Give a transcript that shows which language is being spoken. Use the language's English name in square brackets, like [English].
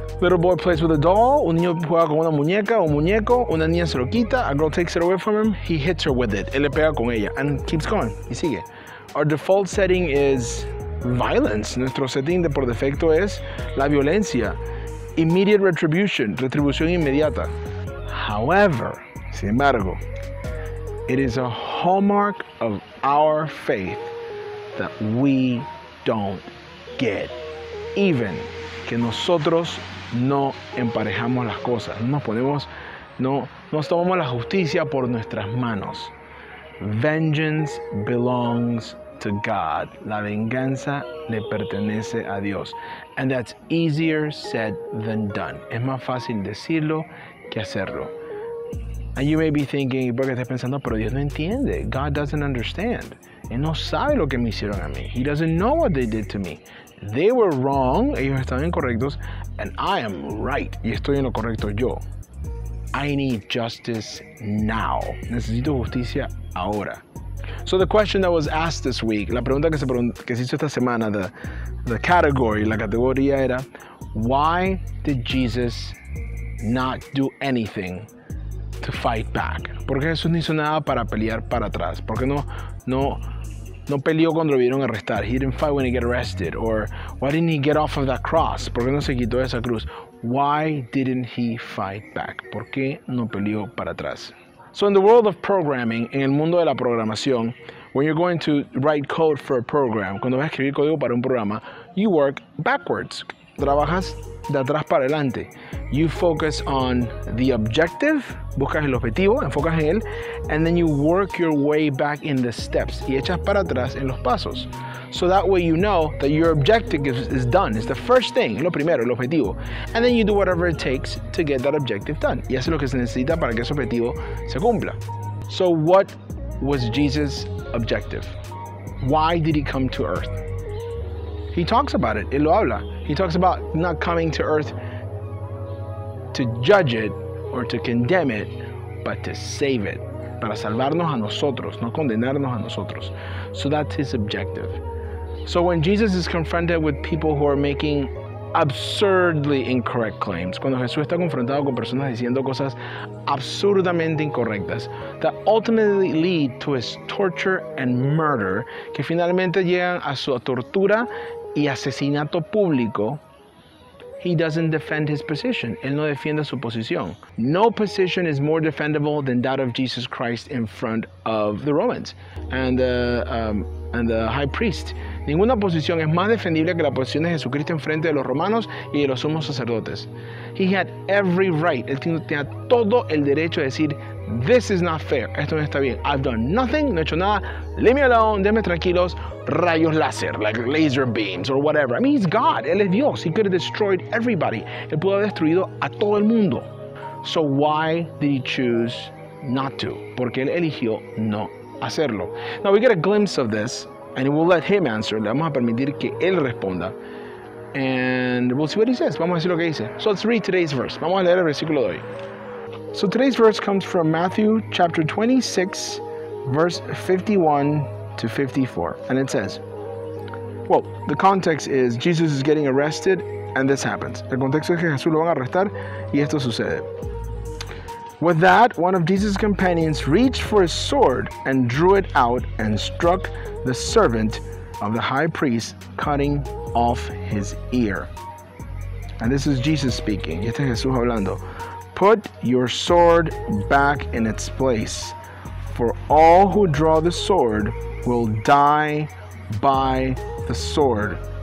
[English] Little boy plays with a doll. [Spanish] Un niño juega con una muñeca o un muñeco. Una niña se lo quita. [English] A girl takes it away from him. He hits her with it. [Spanish] Él le pega con ella. [English] And keeps going. [Spanish] Y sigue. [English] Our default setting is violence. [Spanish] Nuestro setting de por defecto es la violencia. [English] Immediate retribution. [Spanish] Retribución inmediata. [English] However, [Spanish] sin embargo, [English] it is a hallmark of our faith that we don't get even. [Spanish] Que nosotros no emparejamos las cosas. No nos tomamos la justicia por nuestras manos. [English] Vengeance belongs to God. [Spanish] La venganza le pertenece a Dios. [English] And that's easier said than done. [Spanish] Es más fácil decirlo que hacerlo. [English] And you may be thinking, [Spanish] ¿por qué estás pensando? Pero Dios no entiende. [English] God doesn't understand. [Spanish] Él no sabe lo que me hicieron a mí. [English] He doesn't know what they did to me. They were wrong. [Spanish] Ellos están incorrectos. [English] And I am right. [Spanish] Y estoy en lo correcto yo. [English] I need justice now. [Spanish] Necesito justicia ahora. [English] So the question that was asked this week, [Spanish] la pregunta que se hizo esta semana, [English] the category, [Spanish] la categoría era, [English] why did Jesus not do anything to fight back? [Spanish] ¿Por qué Jesús no hizo nada para pelear para atrás? ¿Por qué no peleó cuando lo vieron arrestar? [English] He didn't fight when he got arrested. Or why didn't he get off of that cross? [Spanish] ¿Por qué no se quitó esa cruz? [English] Why didn't he fight back? [Spanish] ¿Por qué no peleó para atrás? [English] So in the world of programming, [Spanish] en el mundo de la programación, [English] when you're going to write code for a program, [Spanish] cuando vas a escribir código para un programa, [English] you work backwards. [Spanish] Trabajas de atrás para adelante. [English] You focus on the objective, [Spanish] buscas el objetivo, enfocas en él, [English] and then you work your way back in the steps, [Spanish] y echas para atrás en los pasos. [English] So that way you know that your objective is done. It's the first thing, [Spanish] lo primero, el objetivo. [English] And then you do whatever it takes to get that objective done. [Spanish] Y haces lo que se necesita para que ese objetivo se cumpla. [English] So what was Jesus' objective? Why did he come to earth? He talks about it, [Spanish] él lo habla. [English] He talks about not coming to earth to judge it or to condemn it, but to save it. [Spanish] Para salvarnos a nosotros, no condenarnos a nosotros. [English] So that's his objective. So when Jesus is confronted with people who are making absurdly incorrect claims, [Spanish] cuando Jesús está confrontado con personas diciendo cosas absurdamente incorrectas, [English] that ultimately lead to his torture and murder, [Spanish] que finalmente llegan a su tortura y asesinato público, [English] he doesn't defend his position. [Spanish] Él no defiende su posición. [English] No position is more defendable than that of Jesus Christ in front of the Romans and the high priest. [Spanish] Ninguna posición es más defendible que la posición de Jesucristo en frente de los romanos y de los sumos sacerdotes. [English] He had every right. [Spanish] Él tenía todo el derecho de decir, [English] this is not fair. [Spanish] Esto no está bien. [English] I've done nothing. [Spanish] No he hecho nada. [English] Leave me alone. [Spanish] Déjenme tranquilos. Rayos láser, [English] like laser beams or whatever. I mean, he's God. [Spanish] Él es Dios. [English] He could have destroyed everybody. [Spanish] Él pudo haber destruido a todo el mundo. [English] So why did he choose not to? [Spanish] Porque él eligió no hacerlo. [English] Now we get a glimpse of this, and we'll let him answer. [Spanish] Le vamos a permitir que él responda. [English] And we'll see what he says. [Spanish] Vamos a decir lo que dice. [English] So let's read today's verse. [Spanish] Vamos a leer el versículo de hoy. [English] So today's verse comes from Matthew chapter 26, verse 51 to 54. And it says, well, the context is Jesus is getting arrested, and this happens. [Spanish] El contexto es que Jesús lo van a arrestar, y esto sucede. [English] With that, one of Jesus' companions reached for his sword and drew it out and struck the servant of the high priest, cutting off his ear. And this is Jesus speaking. [Spanish] Y este es Jesús hablando. [English] Put your sword back in its place, for all who draw the sword will die by the sword.